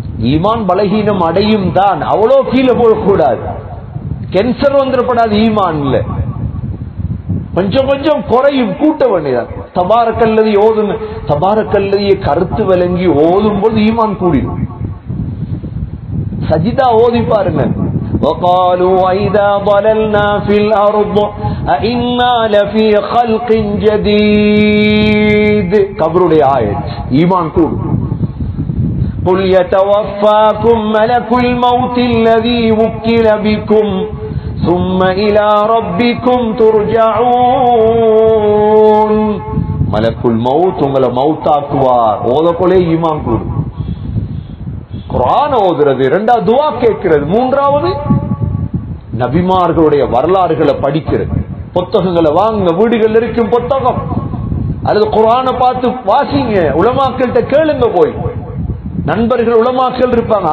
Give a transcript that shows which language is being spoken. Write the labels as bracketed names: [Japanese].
[Tamil] ஈமான் பலகீனம் அடையும் தான், அவ்வளோ கீழே போகக்கூடாது, கேன்சர் வந்துடப்படாது ஈமான்ல. கொஞ்சம் கொஞ்சம் குறையும், கூட்ட வேண்டியதான். தபாரக்கல்லதி ஓதுங்க, தபாரக்கல்லதியை கருத்து விளங்கி ஓதும் போது ஈமான் கூடிடும். சஜிதா ஓதி பாருங்க. [Arabic] وقالوا اذا ضللنا في الارض ائنا لفي خلق جديد قبرடைய [Tamil] ஆயத் ஈமான் கூடு. [Arabic] قل يتوفاكم ملك الموت الذي وكل بكم ثم الى ربكم ترجعون ملك الموت [Tamil] உங்கள மௌத்தாக்குவார். ஓதக்குள்ளே ஈமான் கூடு. குர்ஆன் ஓதுறது, இரண்டாவது துஆ கேட்கிறது, மூன்றாவது நபிமார்களுடைய வரலாறுகளை படிக்கிறது. புத்தகங்களை வாங்க, வீடுகள் இருக்கும் புத்தகம் அல்லது குர்ஆனை பார்த்து வாசிங்க, உலமாக்கள்கிட்ட கேளுங்க, போய் நண்பர்கள் உலமாக்கள் இருப்பாங்க.